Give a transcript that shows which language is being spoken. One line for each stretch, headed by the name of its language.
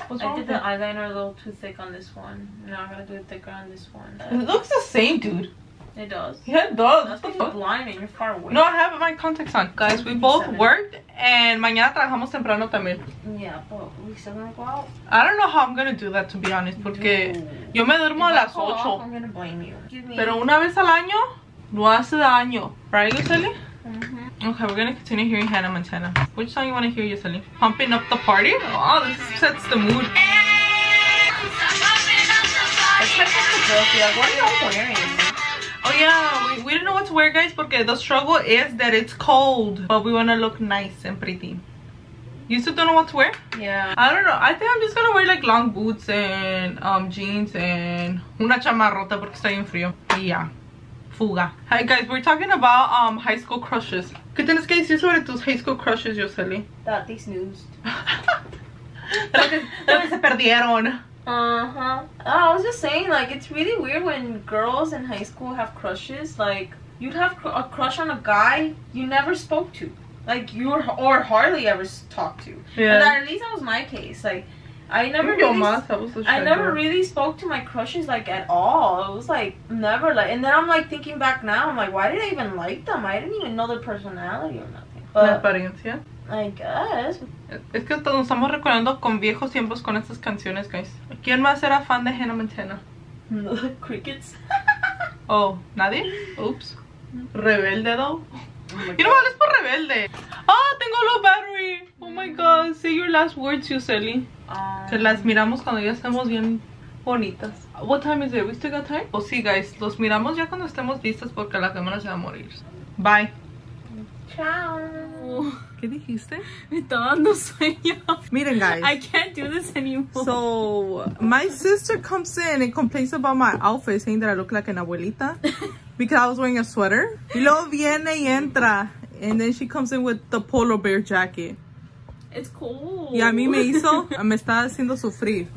English: What's wrong with it? I did the eyeliner a little too thick on this one. Now I gotta do it thicker on this one. It looks the same, dude. It does. Yeah, it does. That's because you're blind and you're far away. No, I have my contacts on. Guys, we both worked and
Spanish: mañana trabajamos temprano también.
English: Yeah, but we still gonna go out? I don't know how I'm gonna do that, to be honest.
Spanish: Porque yo me duermo
English: if
Spanish: a las 8.
English: I'm gonna blame you. Excuse me.
Spanish: Pero una vez al año, no hace daño.
English: Right, Yoseli? Mm-hmm. Okay, we're gonna continue hearing Hannah Montana. Which song you wanna hear, Yoseli? Pumping Up the Party? Oh, this sets the mood. It's wearing? Oh yeah, we don't know what to wear, guys, porque the struggle is that it's cold. But we wanna look nice and pretty. You still don't know what to wear? Yeah. I don't know. I think I'm just gonna wear like long boots and jeans and
Spanish: una chamarrota porque está bien frío.
English: Yeah. Fuga. Hi guys, we're talking about high school crushes.
Spanish: ¿Qué tienes que decir sobre tus
English: high school crushes,
Spanish: Yoseli?
English: That they snoozed.
Spanish: That se perdieron. Uh-huh.
English: Oh, I was just saying, like, it's really weird when girls in high school have crushes. Like, you'd have a crush on a guy you never spoke to. Like, you or hardly ever talked to. Yeah. But at least that was my case. Like, I never really spoke to my crushes like at all. It was like never like, and then I'm like thinking back now, I'm like, why did I even like them? I didn't even know their personality or nothing. But,
Spanish: la apariencia.
English: I guess.
Spanish: Es que nos estamos recordando con viejos tiempos con estas canciones, guys. ¿Quién más era fan de Hannah Montana?
English: Crickets. Oh, nadie. Oops. Rebelde, though. Oh, you know what?
Spanish: Es por rebelde.
English: Oh,
Spanish: tengo
English: low battery. Oh my god. Say your last words, Yoseli.
Spanish: Que las miramos cuando ya estemos bien bonitas.
English: What time is it? We still got time? Oh, sí, guys.
Spanish: Los miramos ya cuando estemos listas porque la cámara se va a morir.
English: Bye.
Spanish: Chao. ¿Qué dijiste? Me está dando sueño. Miren, guys.
English: I can't do this anymore. So, my sister comes in and complains about my outfit, saying that I look like an abuelita. Because I was wearing a sweater.
Spanish: Y luego viene y entra.
English: And then she comes in with the polo bear jacket. It's cold.
Spanish: Y a mí me hizo, me está haciendo sufrir.